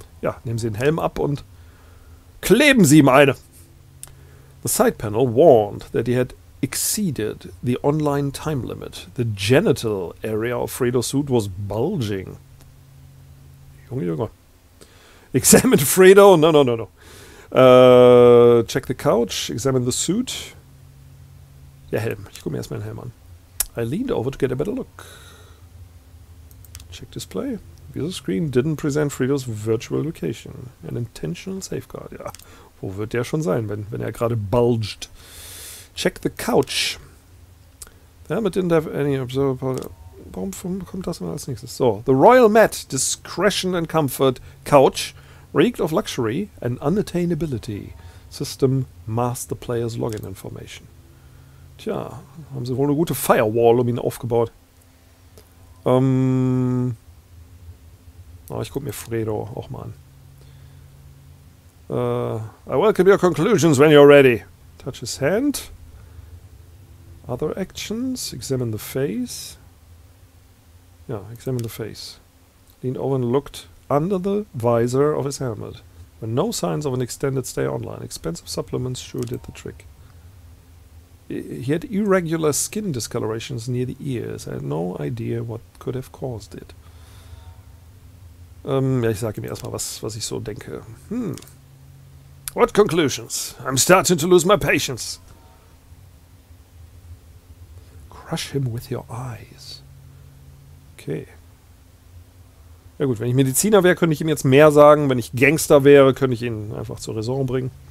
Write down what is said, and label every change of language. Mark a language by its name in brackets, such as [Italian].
[German] Ja, nehmen Sie den Helm ab und kleben Sie ihm eine. [English] The side panel warned that he had exceeded the online time limit. The genital area of Fredo's suit was bulging. [German] Junge, Junge. [English] Examine Fredo. No. Check the couch. Examine the suit. [German] Ja, Helm. Ich gucke mir erstmal den Helm an. [English] I leaned over to get a better look. Check display. User screen didn't present Fredo's virtual location. An intentional safeguard. [German] Ja, wo wird der schon sein, wenn er gerade bulged? [English] Check the couch. The helmet didn't have any observable... [German] Warum kommt das mal als nächstes? [English] So, the royal mat, discretion and comfort, couch, reeked of luxury and unattainability. System masked the player's login information. [German] Tja, haben sie wohl eine gute Firewall um ihn aufgebaut. Ich guck mir Fredo auch mal an. [English] I welcome your conclusions when you're ready. Touch his hand. Other actions. Examine the face. Ja, examine the face. Leaned over and looked under the visor of his helmet. There were no signs of an extended stay online. Expensive supplements sure did the trick. He had irregular skin discolorations near the ears. I had no idea what could have caused it. [German] Ja, ich sage ihm erstmal, was ich so denke. [English] What conclusions? I'm starting to lose my patience. Crush him with your eyes. Okay. [German] Ja gut, wenn ich Mediziner wäre, könnte ich ihm jetzt mehr sagen. Wenn ich Gangster wäre, könnte ich ihn einfach zur Raison bringen.